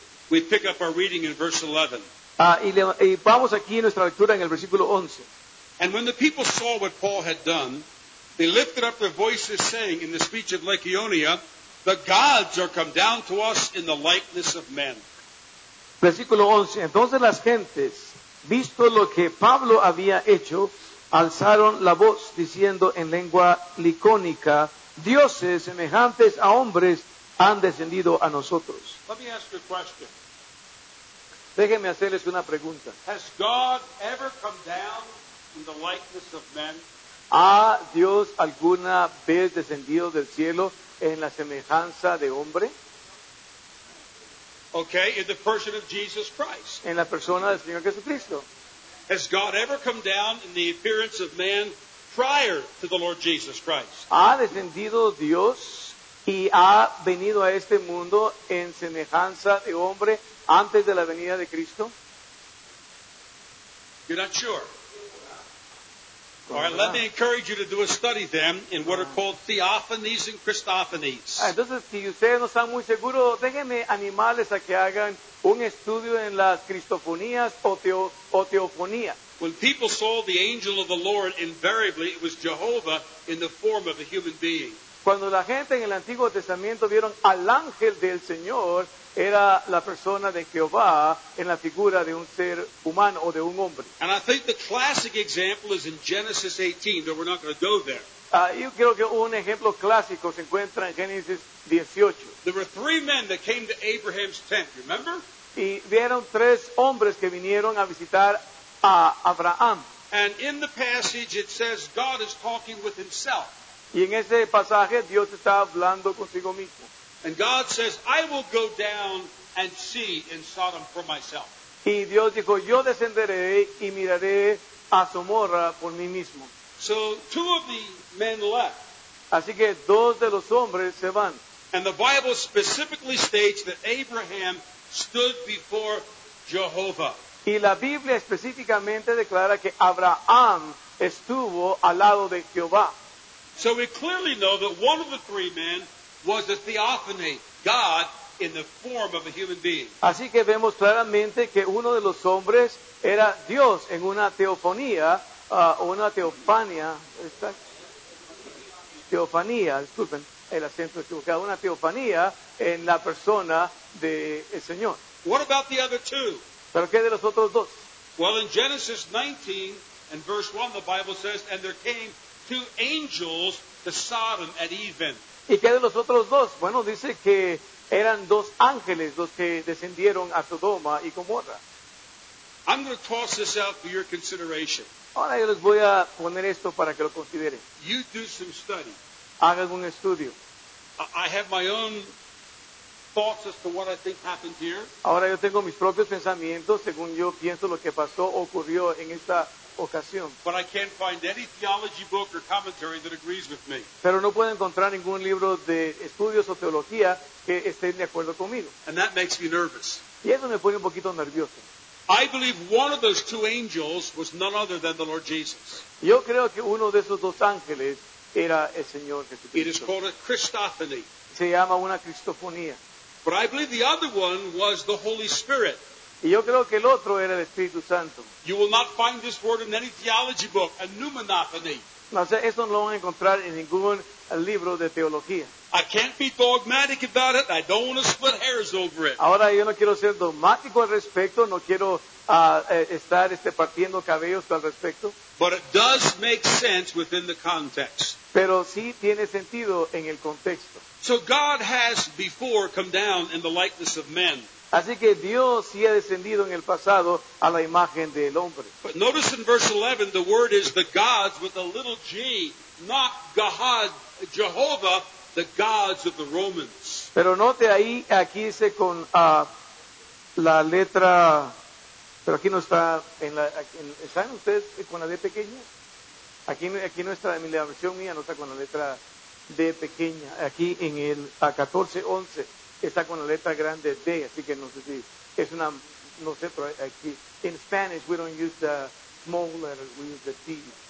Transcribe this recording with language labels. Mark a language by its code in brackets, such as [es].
[en] We pick up our reading in verse 11. [es] Y vamos aquí en nuestra lectura en el versículo 11. [en] And when the people saw what Paul had done, they lifted up their voices saying in the speech of Lycaonia, the gods are come down to us in the likeness of men. [es] Versículo 11. Entonces las gentes, visto lo que Pablo había hecho, alzaron la voz diciendo en lengua licónica, dioses semejantes a hombres han descendido a nosotros. [en] Let me ask you a question. [es] Déjenme hacerles una pregunta. [en] Has God ever come down in the likeness of men? [es] ¿Ha Dios alguna vez descendido del cielo en la semejanza de hombre? [en] Okay, in the person of Jesus Christ. [es] En la persona del Señor Jesucristo. [en] Has God ever come down in the appearance of man prior to the Lord Jesus Christ? [es] ¿Ha descendido Dios y ha venido a este mundo en semejanza de hombre antes de la venida de Cristo? [en] You're not sure. All right, let me encourage you to do a study then in what are called theophanies and Christophanies. [es] Entonces, si ustedes no están muy seguros, déjenme animales a que hagan un estudio en las cristofonías o teofonías. [en] When people saw the angel of the Lord, invariably it was Jehovah in the form of a human being. [es] Cuando la gente en el Antiguo Testamento vieron al ángel del Señor, era la persona de Jehová en la figura de un ser humano o de un hombre. [en] And I think the classic example is in Genesis 18, but we're not going to go there. [es] Yo creo que un ejemplo clásico se encuentra en Génesis 18. [en] There were three men that came to Abraham's tent, remember? [es] Y vieron tres hombres que vinieron a visitar a Abraham. [en] And in the passage it says God is talking with himself. [es] Y en ese pasaje Dios está hablando consigo mismo. [en] And God says, I will go down and see in Sodom for myself. [es] Y Dios dijo, yo descenderé y miraré a Somorra por mí mismo. [en] So two of the men left. [es] Así que dos de los hombres se van. [en] And the Bible specifically states that Abraham stood before Jehovah. [es] Y la Biblia específicamente declara que Abraham estuvo al lado de Jehová. [en] So we clearly know that one of the three men was a theophany, God in the form of a human being. [es] Así que vemos claramente que uno de los hombres era Dios en una teofonía, una teofanía, ¿está? Teofanía, disculpen, el acento equivocado, una teofanía en la persona del Señor. [en] What about the other two? [es] ¿Pero qué de los otros dos? [en] Well, in Genesis 19 and verse 1, the Bible says, and there came two angels to Sodom at even. [es] ¿Y qué de los otros dos? Bueno, dice que eran dos ángeles los que descendieron a Sodoma y Gomorra. [en] I'm going to toss this out for your consideration. [es] Ahora yo les voy a poner esto para que lo consideren. [en] You do some study. [es] Hagan un estudio. [en] I have my own thoughts as to what I think happened here. [es] Ahora yo tengo mis propios pensamientos según yo pienso lo que pasó o ocurrió en esta ocasión. [en] But I can't find any theology book or commentary that agrees with me. [es] Pero no puedo encontrar ningún libro de estudios o teología que esté de acuerdo conmigo. [en] And that makes me nervous. [es] Y eso me pone un poquito nervioso. [en] I believe one of those two angels was none other than the Lord Jesus. [es] Yo creo que uno de esos dos ángeles era el Señor Jesucristo. [en] It is called a Christophany. [es] Se llama una cristofonía. [en] But I believe the other one was the Holy Spirit. [es] Y yo creo que el otro era el Espíritu Santo. [en] You will not find this word in any theology book, a pneumatophany. [es] No, o sea, eso no lo van a encontrar en ningún libro de teología. [en] I can't be dogmatic about it. I don't want to split hairs over it. [es] Ahora yo no quiero ser dogmático al respecto, no quiero estar partiendo cabellos al respecto. [en] But it does make sense within the context. [es] Pero sí tiene sentido en el contexto. [en] So God has before come down in the likeness of men. [es] Así que Dios sí ha descendido en el pasado a la imagen del hombre. [en] But notice in verse 11, the word is the gods with a little g, not God, Jehovah, the gods of the Romans. [es] Pero note ahí, aquí dice con la letra, pero aquí no está, ¿están ustedes con la D pequeña? Aquí no está, la versión mía no está con la letra D pequeña, aquí en el 14:11. Está con la letra grande D, así que no sé si es una, no sé, pero aquí. [en] In Spanish, we don't use the small letters, we use the D.